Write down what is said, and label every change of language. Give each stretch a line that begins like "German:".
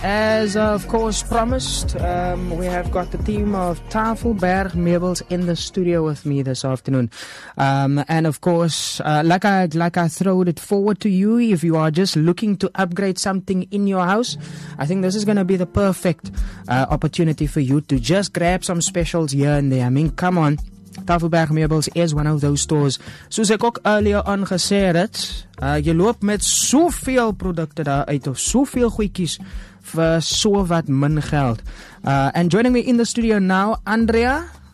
English: As of course promised, we have got the team of Tafelberg Meubels in the studio with me this afternoon. And of course, like I throw it forward to you, if you are just looking to upgrade something in your house, I think this is going to be the perfect opportunity for you to just grab some specials here and there. I mean, come on. Tafelberg Meubels is one of those stores.
Afrikaans: Soos ek ook
English: earlier on
Afrikaans: gesê het, jy loop met soveel produkte daar uit of soveel goedjies vir so wat min geld.
English: And joining me in the studio now, Andrea.